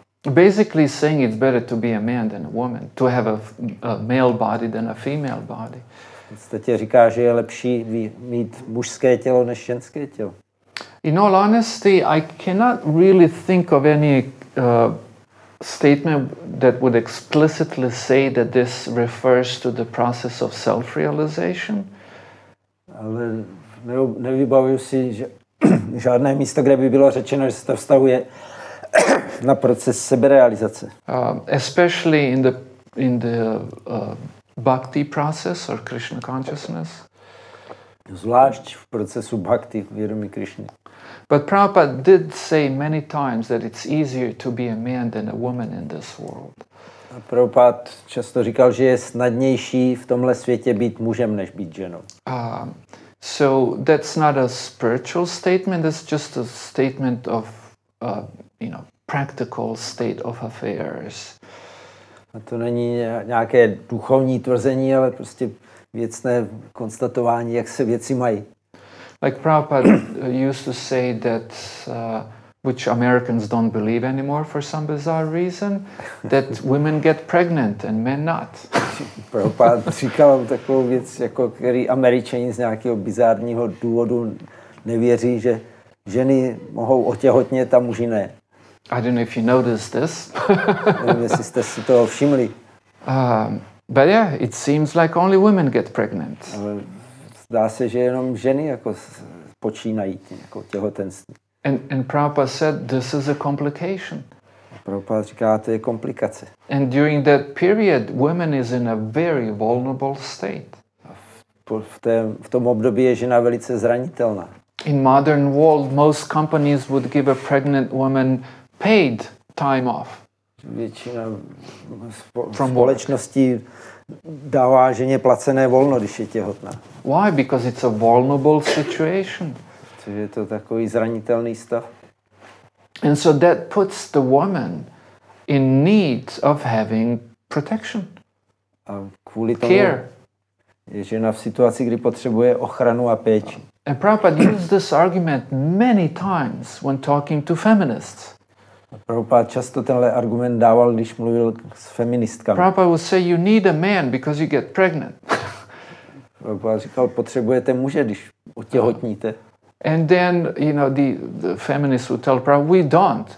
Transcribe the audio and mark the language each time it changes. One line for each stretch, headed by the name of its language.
English: Basically saying it's better to be a man than a woman, to have a male body than a female body.
Czech: V podstatě říká, že je lepší mít mužské tělo než ženské tělo.
English: In all honesty, I cannot really think of any statement that would explicitly say that this refers to the process of self-realization.
Czech: Ale nevybavuju si žádné místo, kde by bylo řečeno, že se to vztahuje na proces seberealizace.
English: Especially in the bhakti process or Krishna consciousness.
Czech: Zvlášť v procesu bhakti, vědomí Krishny.
English: But Prabhupada did say many times that it's easier to be a man than a woman in this world.
Czech: A Prabhupada často říkal, že je snadnější v tomhle světě být mužem než být ženou.
English: So that's not a spiritual statement, it's just a statement of practical state of affairs.
Czech: A to není nějaké duchovní tvrzení, ale prostě věcné konstatování, jak se věci mají.
English: Like Prabhupada used to say that, which Americans don't believe anymore for some bizarre reason, that women get pregnant and men not.
Czech: Prabhupada říkal takovou věc, jako který Američani z nějakého bizárního důvodu nevěří, že ženy mohou otěhotnět a muži ne.
English: I don't know if you noticed this.
Czech: Nevím, jestli jste si toho všimli.
English: But yeah, it seems like only women get pregnant.
Czech: Zdá se, že jenom ženy jako počínají jako těhotenství.
English: And Prabhupada said this is a complication.
Czech: Prabhupada říká, to je komplikace.
English: And during that period, women is in a very vulnerable state.
Czech: V tom období je žena velice zranitelná.
English: In modern world, most companies would give a pregnant woman paid time off.
Czech: Většina společností dává ženě placené volno, když je těhotná.
English: Why? Because it's a vulnerable situation.
Czech: Protože je to takový zranitelný stav.
English: And so that puts the woman in need of having protection.
Czech: A kvůli tomu care. Je žena v situaci, kdy potřebuje ochranu a péči.
English: And Prabhupada used this argument many times when talking to feminists.
Czech: Prabhupada často tenhle argument dával, když mluvil s feministkami.
English: Prabhupada would say you need a man because you get pregnant.
Czech: Prabhupada říkal, potřebujete muže, když otěhotníte.
English: And then, you know, the feminists would tell Prabhupada, we don't.